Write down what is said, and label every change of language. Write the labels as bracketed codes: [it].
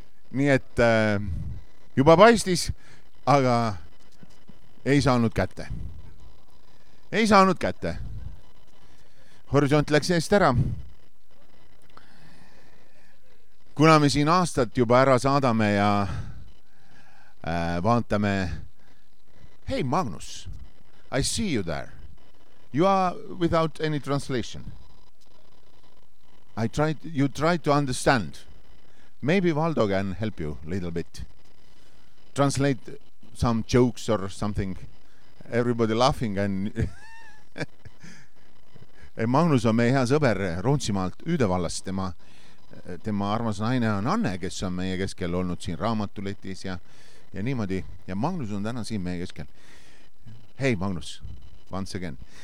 [et] Nii et juba paistis, aga ei saanud kätte. Ei saanud kätte. Horisont läks eest ära. Kuna me siin aastat juba ära saadame ja vaatame. [en] Hey Magnus, I see you there. You are without any translation. You tried to understand. Maybe Valdo can help you a little bit. Translate some jokes or something. Everybody laughing and... [et] Magnus on meie hea sõber Rootsimaalt Üüdevallast. Tema armas naine on Anne, kes on meie keskel olnud siin raamatuletis ja niimoodi. Ja Magnus on täna siin meie keskel. Hei Magnus, [en] once again.